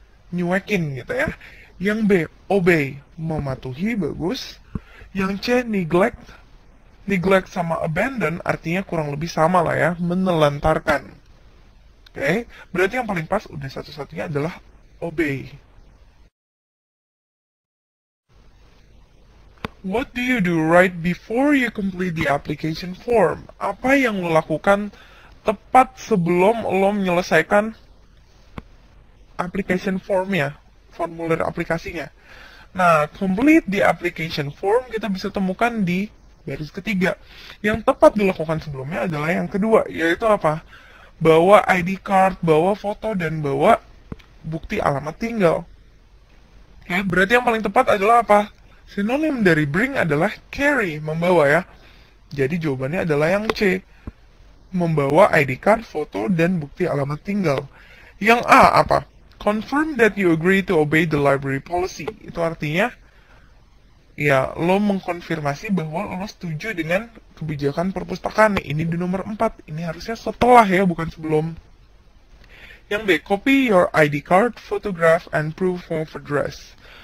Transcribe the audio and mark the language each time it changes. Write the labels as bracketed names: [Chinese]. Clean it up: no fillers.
[Indonesian] Nyuekin gitu ya. Yang B, obey. Mematuhi, bagus. Yang C, neglect. Neglect sama abandon artinya kurang lebih sama lah ya, menelantarkan. Oke, okay. Berarti yang paling pas udah satu-satunya adalah obey. [English] What do you do right before you complete the application form? [Indonesian] Apa yang lo lakukan tepat sebelum lo menyelesaikan application form-nya, formulir aplikasinya? Nah, complete the application form kita bisa temukan di baris ketiga. Yang tepat dilakukan sebelumnya adalah yang kedua, yaitu apa? Bawa ID card, bawa foto, dan bawa bukti alamat tinggal. Oke, berarti yang paling tepat adalah apa? Sinonim dari bring adalah carry, membawa ya. Jadi jawabannya adalah yang C. Membawa ID card, foto, dan bukti alamat tinggal. Yang A apa? [English] Confirm that you agree to obey the library policy. [Indonesian] Itu artinya, ya, lo mengkonfirmasi bahwa lo setuju dengan kebijakan perpustakaan. Ini di nomor 4. Ini harusnya setelah ya, bukan sebelum. Yang B, [English] copy your ID card, photograph, and proof of address.